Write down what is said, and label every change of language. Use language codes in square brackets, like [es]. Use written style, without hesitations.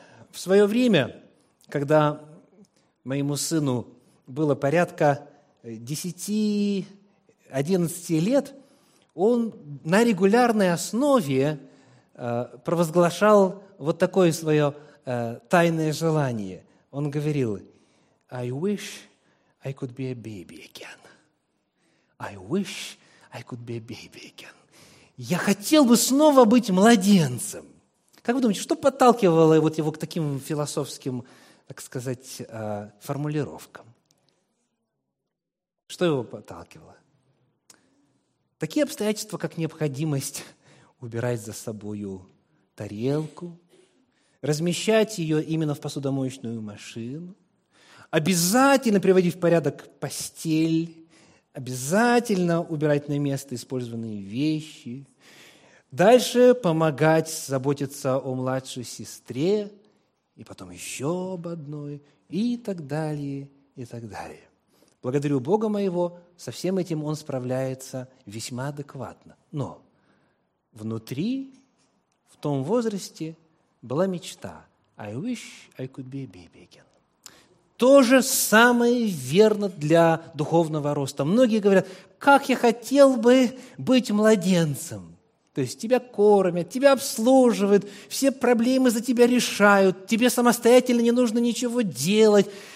[ru] В свое время, когда моему сыну было порядка 10-11 лет, он на регулярной основе провозглашал вот такое свое тайное желание. Он говорил: [en] «I wish I could be a baby again. I wish I could be a baby again». [ru] Я хотел бы снова быть младенцем. Как вы думаете, что подталкивало вот его к таким философским, так сказать, формулировкам? Что его подталкивало? Такие обстоятельства, как необходимость убирать за собою тарелку, размещать ее именно в посудомоечную машину, обязательно приводить в порядок постель, обязательно убирать на место использованные вещи, дальше помогать заботиться о младшей сестре, и потом еще об одной, и так далее, и так далее. Благодарю Бога моего, со всем этим он справляется весьма адекватно. Но внутри, в том возрасте, была мечта. [en] I wish I could be a baby again. [ru] То же самое верно для духовного роста. Многие говорят: как я хотел бы быть младенцем. То есть тебя кормят, тебя обслуживают, все проблемы за тебя решают, тебе самостоятельно не нужно ничего делать.